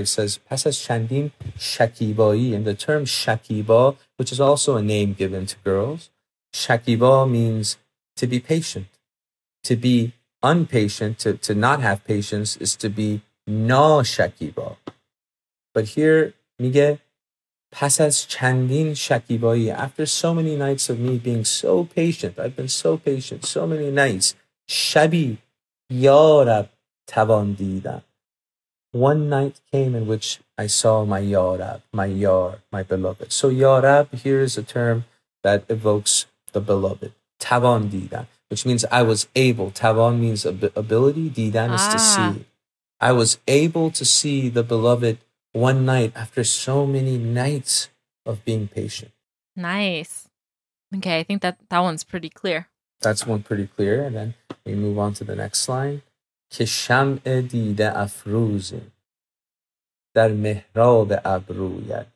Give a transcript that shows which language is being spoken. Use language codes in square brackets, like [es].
[en] It says [fa] پس از چندین شکیبایی. [en] And the term شکیبا, which is also a name given to girls, شکیبا means to be patient. To be unpatient, to not have patience, is to be ناشکیبا. But here, [fa] میگه, پس از چندین شکیبایی, [en] after so many nights of me being so patient, I've been so patient, so many nights, [fa] شبی یارب توان دیدم. [en] One night came in which I saw my یارب, my یار, my beloved. So یارب here is a term that evokes the beloved. [fa] توان دیدم, [en] which means I was able. توان means ability, دیدن is to see. I was able to see the beloved one night after so many nights of being patient. Nice. Okay, I think that one's pretty clear. That's one pretty clear. And then we move on to the next line. [fa] که شمع دیده افروزی در محراب ابروید.